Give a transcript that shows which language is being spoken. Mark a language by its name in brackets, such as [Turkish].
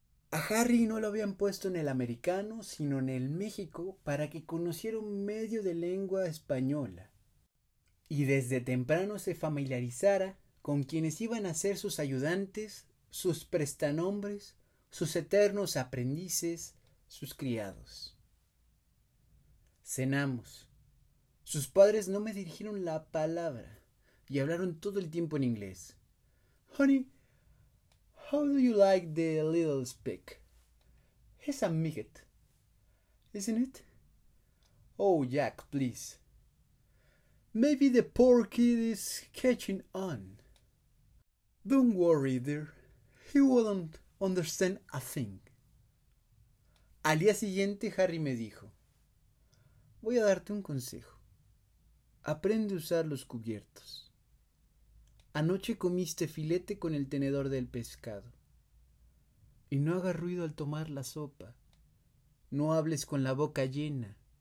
[Spanish] A Harry no lo habían puesto en el americano, sino en el México para que conociera un medio de lengua española y desde temprano se familiarizara con quienes iban a ser sus ayudantes, sus prestanombres, sus eternos aprendices, sus criados. Cenamos. Sus padres no me dirigieron la palabra y hablaron todo el tiempo en inglés. [English] Honey, how do you like the little speck? He's a midget, isn't it? Oh, Jack, please. Maybe the poor kid is catching on. Don't worry, dear. He wouldn't understand a thing. [Spanish] Al día siguiente, Harry me dijo: voy a darte un consejo. Aprende a usar los cubiertos. Anoche comiste filete con el tenedor del pescado. Y no hagas ruido al tomar la sopa. No hables con la boca llena.